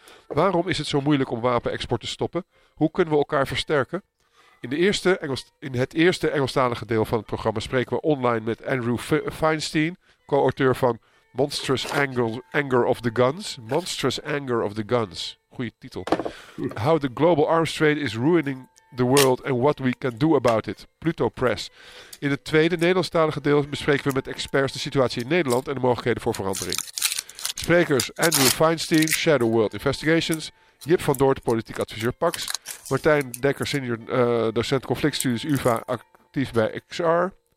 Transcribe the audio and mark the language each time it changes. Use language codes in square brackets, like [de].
[nl] Waarom is het zo moeilijk om wapenexport te stoppen? Hoe kunnen we elkaar versterken? In het eerste Engelstalige deel van het programma spreken we online met Andrew Feinstein, co-auteur van Monstrous Anger of the Guns. Monstrous Anger of the Guns. Goeie titel. [en] How the global arms trade is ruining the world and what we can do about it. [nl] Pluto Press. In het tweede Nederlandstalige deel bespreken we met experts de situatie in Nederland en de mogelijkheden voor verandering. Sprekers Andrew Feinstein, Shadow World Investigations. Jip van Doort, politiek adviseur Pax. Martijn Dekker, senior docent conflictstudies UvA, actief bij XR.